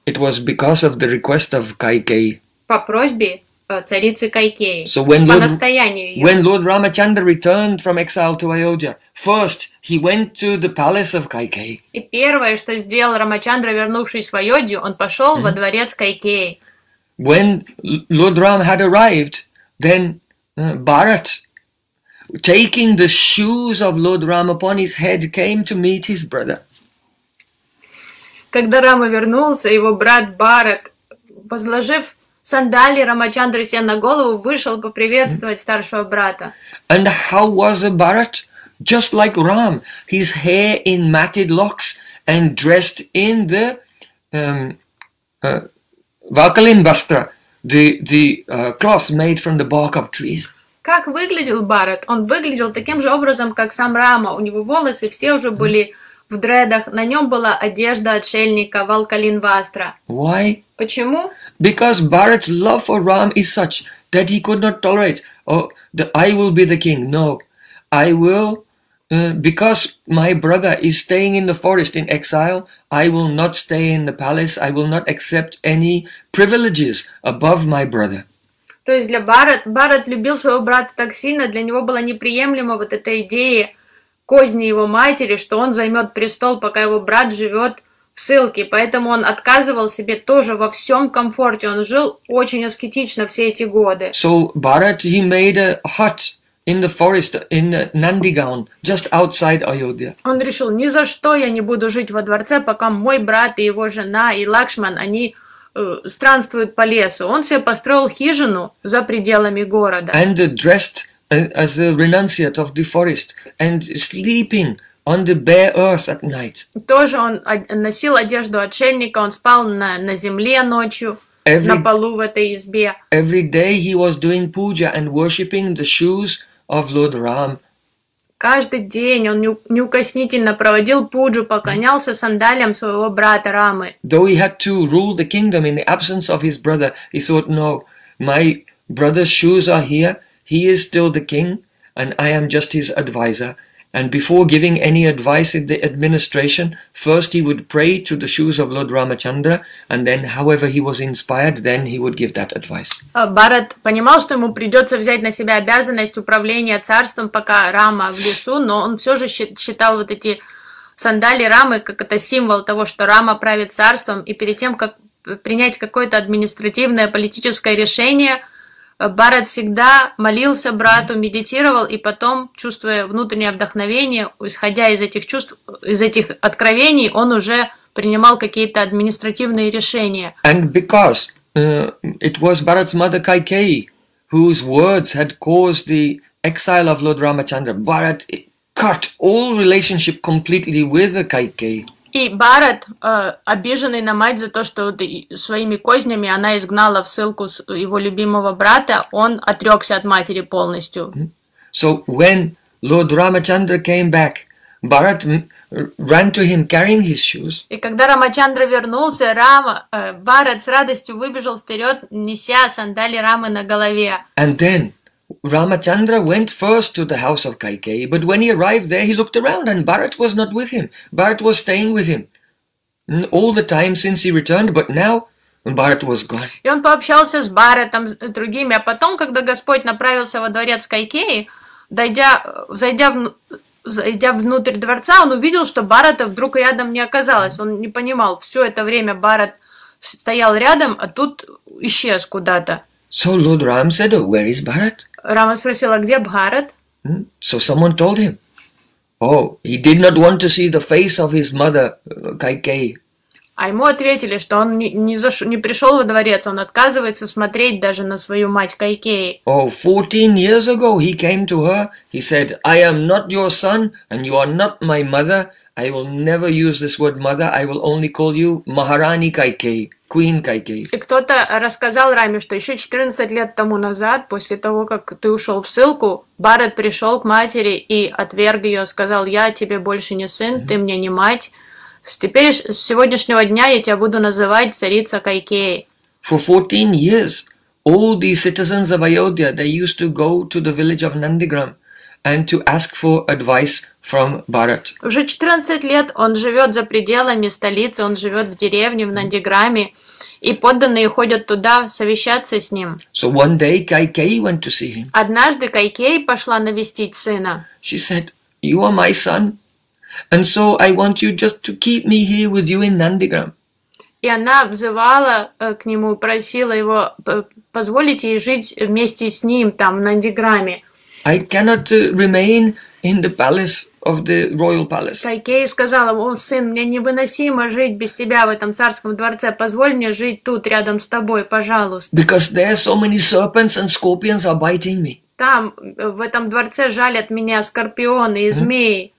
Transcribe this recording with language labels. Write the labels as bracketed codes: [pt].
[en] It was because of the request of Kaikeyi. [ru] По просьбе царицы Кайкеи. [en] So when Lord, [ru] по настоянию ее. [en] When Lord Ramachandra returned from exile to Ayodhya, first he went to the palace of Kaikeyi. [ru] И первое, что сделал Рамачандра, вернувшись в Айодию, он пошел во дворец Кайкеи. [en] When Lord Ram had arrived, then Bharat, taking the shoes of Lord Ram upon his head, came to meet his brother. [ru] Когда Рама вернулся, его брат Бхарат, возложив сандалии Рамачандры себе на голову, вышел поприветствовать старшего брата. [en] And how was Bharat? Just like Ram, his hair in matted locks and dressed in the Valkalinvastra, the cloth made from the bark of trees. [ru] Как выглядел Бхарат? Он выглядел таким же образом, как сам Рама. У него волосы все уже были в дредах, на нем была одежда отшельника Валкалинвастра. [en] Why? [ru] Почему? [en] Because Bharat's love for Ram is such that he could not tolerate, I will be the king. No, I will, because my brother is staying in the forest in exile, I will not stay in the palace, I will not accept any privileges above my brother. [ru] То есть для Бхарат любил своего брата так сильно, для него была неприемлема вот эта идея козни его матери, что он займет престол, пока его брат живет в ссылке. Поэтому он отказывал себе тоже во всем комфорте. Он жил очень аскетично все эти годы. [en] So Bharat, he made a hut in the forest in Nandigaon, just outside Ayodhya. [ru] Он решил, ни за что я не буду жить во дворце, пока мой брат и его жена и Лакшман, они странствуют по лесу. Он себе построил хижину за пределами города. [en] And dressed as a renunciate of the forest and sleeping on the bare earth at night. [ru] Тоже он носил одежду отшельника, он спал на земле ночью, на полу в этой избе. [en] Every day he was doing puja and worshipping the shoes of Lord Ram. [ru] Каждый день он неукоснительно проводил пуджу, поклонялся сандалиям своего брата Рамы. [en] Though he had to rule the kingdom in the absence of his brother, he thought, no, my brother's shoes are here, he is still the king, and I am just his advisor. And before giving any advice in the administration, first he would pray to the shoes of Lord Ramachandra, and then, however he was inspired, then he would give that advice. [ru] Bharat понимал, что ему придется взять на себя обязанность управления царством, пока Рама в лесу, но он все же считал вот эти сандалии Рамы как это символ того, что Рама правит царством, и перед тем, как принять какое-то административное политическое решение, Бхарат всегда молился брату, медитировал, и потом, чувствуя внутреннее вдохновение, исходя из этих чувств, из этих откровений, он уже принимал какие-то административные решения. [en] And because it was Bharat's mother Kaikeyi, whose words had caused the exile of Lord Ramachandra, Bharat cut all relationship completely with Kaikeyi. [ru] И Бхарат, обиженный на мать за то, что своими кознями она изгнала в ссылку его любимого брата, он отрекся от матери полностью. [en] So when Lord Ramachandra came back, Bharat ran to him carrying his shoes. [ru] И когда Рамачандра вернулся, Бхарат с радостью выбежал вперед, неся сандалии Рамы на голове. [en] And then Ramachandra went first to the house of Kaikeyi, but when he arrived there, he looked around and Bharat was not with him. Bharat was staying with him all the time since he returned, but now Bharat was gone. [ru] И он пообщался с Бхаратом, с другими, а потом, когда Господь направился во дворец Кайкеи, зайдя внутрь дворца, он увидел, что Бхарата вдруг рядом не оказалось. Он не понимал, все это время Бхарат стоял рядом, а тут исчез куда-то. [en] So Lord Ram said, where is Bharat? [ru] Рама спросила, где Бхарат? [en] So someone told him. Oh, he did not want to see the face of his mother, Kaikeyi. [ru] А ему ответили, что он не пришел во дворец, он отказывается смотреть даже на свою мать Кайкеи. [en] Oh, 14 years ago he came to her, he said, I am not your son, and you are not my mother, I will never use this word mother, I will only call you Maharani Kaikeyi. Queen Kaikeyi. [ru] И кто-то рассказал Раме, что еще 14 лет тому назад, после того, как ты ушел в ссылку, Бхарат пришел к матери и отверг ее, сказал, я тебе больше не сын, ты мне не мать. С сегодняшнего дня я тебя буду называть царица Кайкеи. [en] For 14 years, all the citizens of Ayodhya, they used to go to the village of Nandigram and to ask for advice from Bharat. [ru] Уже 14 лет он живет за пределами столицы, он живет в деревне в Нандиграме, и подданные ходят туда совещаться с ним. [en] So one day Kaikeyi went to see him. [ru] Однажды Кайкеи пошла навестить сына. [en] She said, "You are my son, and so I want you just to keep me here with you in Nandigram." [ru] И она взывала к нему, просила его позволить ей жить вместе с ним там в Нандиграме. [en] I cannot remain in the palace of the royal palace. [ru] Кайкеи сказала: "О, сын, мне невыносимо жить без тебя в этом царском дворце. Позволь мне жить тут рядом с тобой, пожалуйста." [en] Because there are so many serpents and scorpions are biting me. [ru] Там в этом дворце жалят меня скорпионы и змеи.